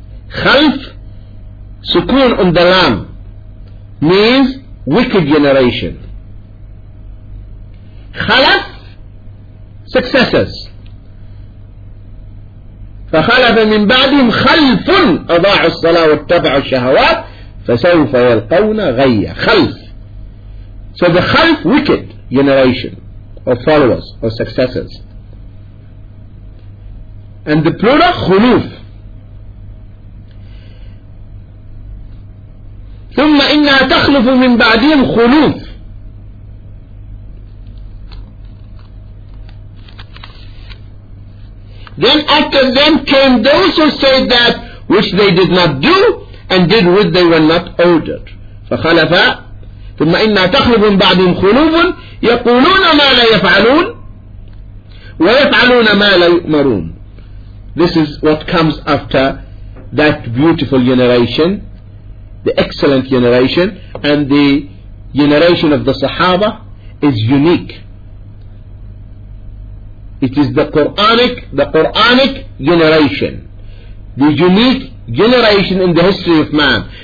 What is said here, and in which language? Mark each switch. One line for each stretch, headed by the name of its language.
English: خَلْف, سُكُون on the lam, means wicked generation. خلف, successors.
Arabic: فخلف من بعدهم خلف أضاعوا الصلاة واتبعوا الشهوات فسوف يلقون غيا.
English: خلف, so the خلف wicked generation of followers or successors, and the plural خلوف.
Arabic: ثم إنها تخلف من بعدهم خلوف.
English: Then after them came those who said that which they did not do and did what they were not ordered.
Arabic: فخلف ثم إنا تخلف من بعدهم خلوف يقولون ما لا يفعلون ويفعلون ما لا يؤمرون.
English: This is what comes after that beautiful generation, the excellent generation, and the generation of the Sahaba is unique. It is the Quranic generation, the unique generation in the history of man.